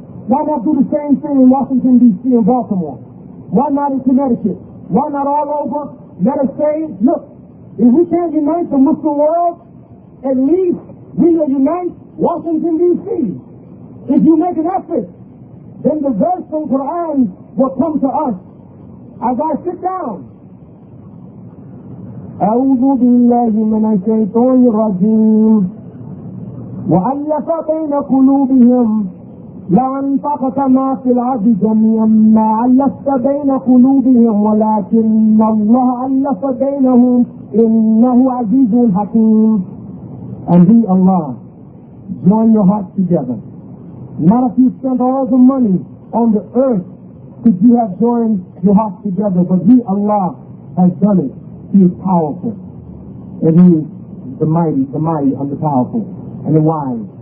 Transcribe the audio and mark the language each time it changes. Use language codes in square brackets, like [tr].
[en] Why not do the same thing in Washington, D.C. and Baltimore? Why not in Connecticut? Why not all over? Let us say, look, if we can't unite the Muslim world, at least we will unite Washington, D.C. If you make an effort, then the verse from Quran will come to us. As I sit down, [ar] أعوذ بالله من الشيطان الرجيم وألف بين قلوبهم لو أنفقت ما في الأرض جميعا ما ألفت بين قلوبهم ولكن الله ألف بينهم إنه عزيز حكيم. [en] And be Allah, join your hearts together. Not if you spend all the money on the earth could you have joined your hearts together, but be Allah has done it. He is powerful. And He is the mighty and the powerful and the wise.